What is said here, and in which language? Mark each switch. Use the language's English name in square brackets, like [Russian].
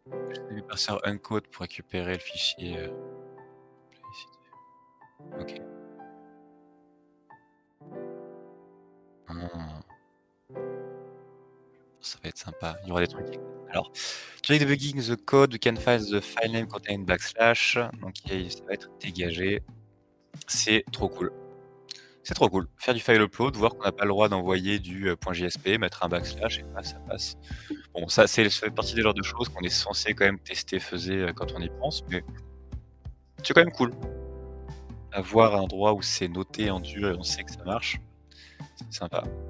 [French] Je vais lui passer un code pour récupérer le fichier. Ok. Ça va être sympa, il y aura des trucs. [English] Alors, during debugging the code, we can find the file name containing backslash. [French] Donc ça va être dégagé. C'est trop cool. C'est trop cool. Faire du file upload, voir qu'on n'a pas le droit d'envoyer du .jsp, mettre un backslash, et ça passe. Bon, ça, c'est ça fait partie des genres de choses qu'on est censé quand même tester, faisait quand on y pense, mais c'est quand même cool. avoir un endroit où c'est noté en dur et on sait que ça marche, c'est sympa.